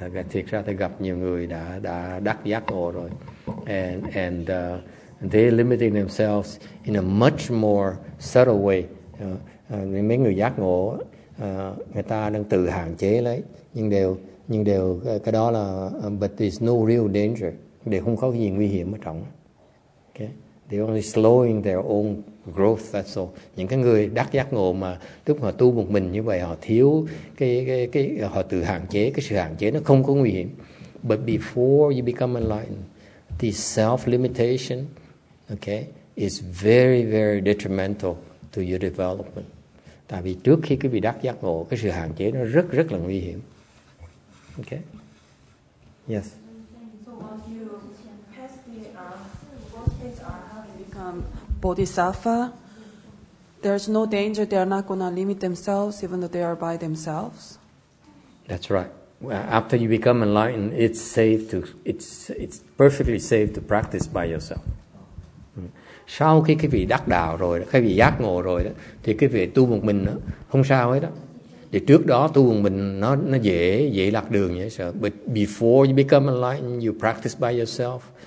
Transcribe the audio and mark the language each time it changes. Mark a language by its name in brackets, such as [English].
[Vietnamese] Thiệt ra tôi gặp nhiều người đã đắc giác ngộ rồi. [English] And they limiting themselves in a much more subtle way. [Vietnamese] Mấy người giác ngộ, người ta đang tự hạn chế lấy. Nhưng đều cái đó là [English] but there's no real danger, [Vietnamese] đều không có gì nguy hiểm ở trong. [English] Okay, they're only slowing their own growth, that's all. [Vietnamese] Những cái người đắc giác ngộ mà lúc họ tu một mình như vậy, họ thiếu cái họ tự hạn chế, cái sự hạn chế nó không có nguy hiểm. [English] But before you become enlightened, the self limitation, okay, is very very detrimental to your development. [Vietnamese] Tại vì trước khi quý vị đắc giác ngộ, cái sự hạn chế nó rất rất là nguy hiểm. Okay. Yes. [English] So once you pass the fourth stage, how to become bodhisattva, there's no danger. They are not going to limit themselves, even though they are by themselves. That's right. Well, after you become enlightened, it's safe to it's perfectly safe to practice by yourself. [Vietnamese] Sau khi quý vị đắc đạo rồi, quý vị giác ngộ rồi đó, thì quý vị tu một mình đó, không sao hết đó. Thì trước đó tu mình nó dễ lạc đường vậy sợ. [English] But before you become enlightened, you practice by yourself.